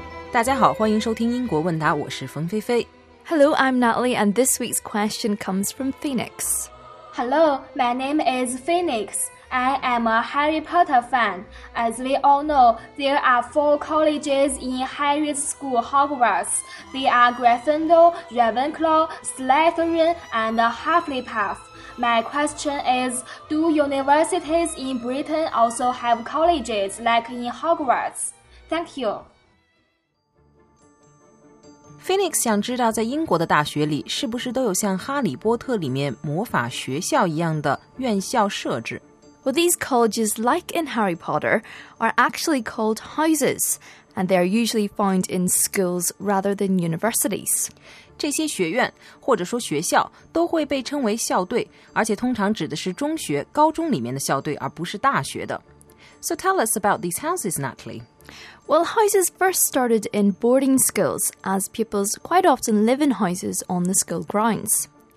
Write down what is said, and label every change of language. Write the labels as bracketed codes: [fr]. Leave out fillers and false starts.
[zh] 大家好，欢迎收听英国问答，我是冯菲菲。 [en] Hello, I'm Natalie, and this week's question comes from Phoenix. Hello, my name is Phoenix. I am a Harry Potter fan. As we all know, there are four colleges in Harry's school, Hogwarts. They are Gryffindor, Ravenclaw, Slytherin, and Hufflepuff. My question is, do universities in Britain also have colleges like in Hogwarts? Thank you. [zh] Phoenix 想知道在英国的大学里是不是都有像哈利波特里面魔法学校一样的院校设置。 [en] Well, these colleges, like in Harry Potter, are actually called houses, and they are usually found in schools rather than universities. [zh] 这些学院或者说学校都会被称为校队，而且通常指的是中学、高中里面的校队，而不是大学的。 [en] So tell us about these houses, Natalie. Well, houses first started in boarding schools, as pupils quite often live in houses on the school grounds.